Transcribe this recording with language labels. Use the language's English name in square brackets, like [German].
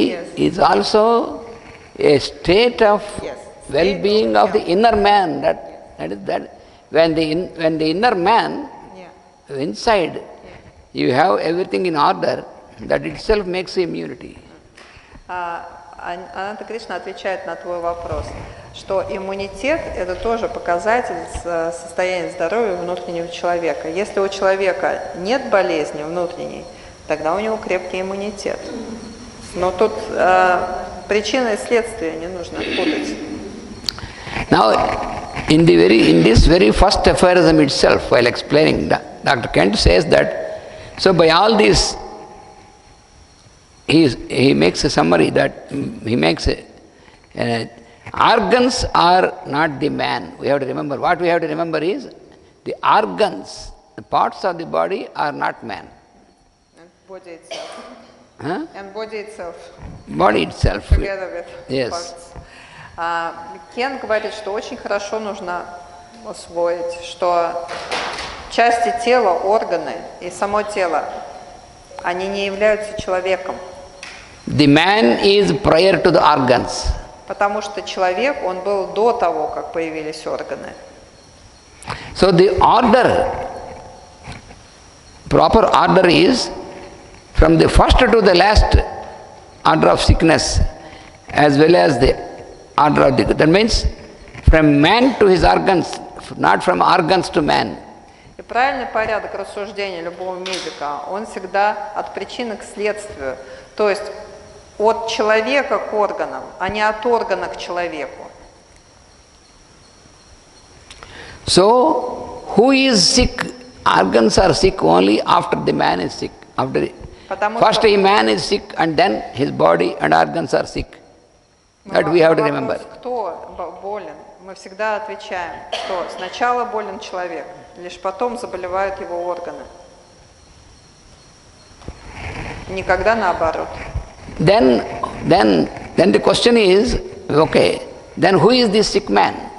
[English] yes, is also a state of... Yes. Well-being of the inner man. That is when the inner man inside you have everything in order, that itself makes immunity. [Russian] Ананта Кришна отвечает на твой вопрос, что иммунитет – это тоже показатель состояния здоровья внутреннего человека. Если у человека нет болезни внутренней, тогда у него крепкий иммунитет. Но тут причины и следствия не нужно путать. [English] Now, in this very first aphorism itself, while explaining, Dr. Kent says that, so by all these, organs are not the man. We have to remember, what we have to remember is, the organs, the parts of the body are not man. And body itself. Yes. [Russian] Кен говорит, что очень хорошо нужно усвоить, что части тела, органы и само тело, они не являются человеком. [English] The man is prior to the organs. [Russian] Потому что человек, он был до того, как появились органы. [English] So the order, proper order is from the first to the last order of sickness, as well as the order of the, that means from man to his organs, not from organs to man. [Russian] И правильный порядок рассуждения любого медика, он всегда от причины к следствию, то есть от человека к органам, а не от органа к человеку. [English] So, who is sick? Organs are sick only after the man is sick. First the man is sick, and then his body and organs are sick. That we have to remember. [Russian] Кто болен? Мы всегда отвечаем, что сначала болен человек, лишь потом заболевают его органы. Никогда наоборот. [English] Then the question is, okay, then who is this sick man?